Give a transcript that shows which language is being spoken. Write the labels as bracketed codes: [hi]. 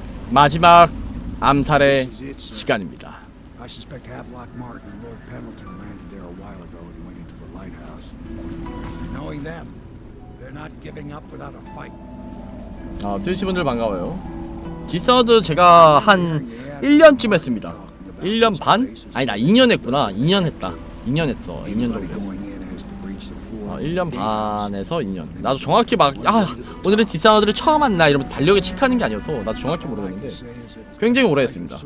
[ko] 마지막 암살의 시간입니다. [en] I suspect Havelock Martin and Lord Pendleton landed there a while ago and went into the lighthouse. Knowing them, they're not giving up without a fight. [ko] 아, 트위치분들 반가워요. 디스너드 제가 한 1년쯤 했습니다. 1년 반? 아니 나 2년 했구나. 2년 했다. 2년 했어. 2년 정도 했어. 아, 1년 반에서 2년. 나도 정확히 막 아, 오늘은 디스너드를 처음 왔나 이러면 달력에 체크하는 게 아니어서 나도 정확히 모르겠는데 굉장히 오래 했습니다.